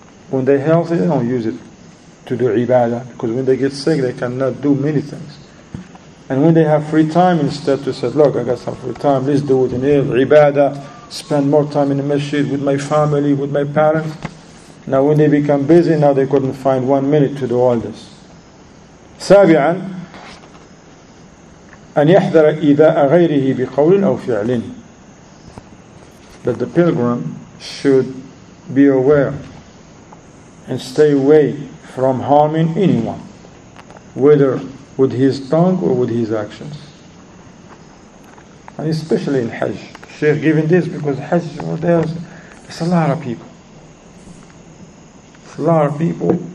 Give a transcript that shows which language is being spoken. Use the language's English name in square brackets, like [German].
[English] When they're healthy, they don't use it to do ibadah, because when they get sick, they cannot do many things. And when they have free time, instead to say, look, I got some free time, let's do it in ibadah, spend more time in the masjid with my family, with my parents. Now when they become busy, now they couldn't find 1 minute to do all this. [Arabic] Sabi'an, أن يحذر إيذاء غيره بقول أو فعل. [English] That the pilgrim should be aware and stay away from harming anyone, whether with his tongue or with his actions. And especially in Hajj. Sheikh given this because Hajj, well, there's a lot of people. It's a lot of people.